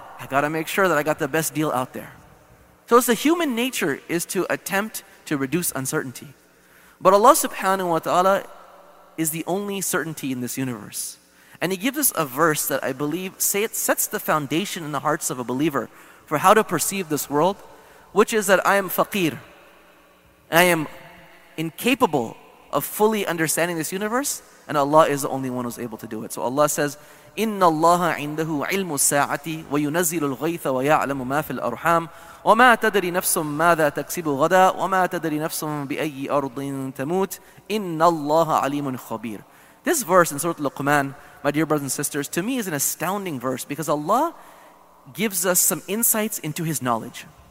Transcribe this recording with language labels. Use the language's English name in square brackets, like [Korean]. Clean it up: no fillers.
[English] I got to make sure that I got the best deal out there. So it's the human nature is to attempt to reduce uncertainty. But Allah subhanahu wa ta'ala is the only certainty in this universe. And He gives us a verse that I believe sets the foundation in the hearts of a believer for how to perceive this world, which is that I am faqir. I am incapable of fully understanding this universe, and Allah is the only one who's able to do it. So Allah says, [Arabic] إن الله عنده علم الساعة وينزل الغيث ويعلم ما في الأرحام وما تدري نفس ماذا تكسب غدا وما تدري نفس بأي أرض تموت إن الله عليم خبير. [English] This verse in Surah Luqman, my dear brothers and sisters, to me is an astounding verse because Allah gives us some insights into His knowledge.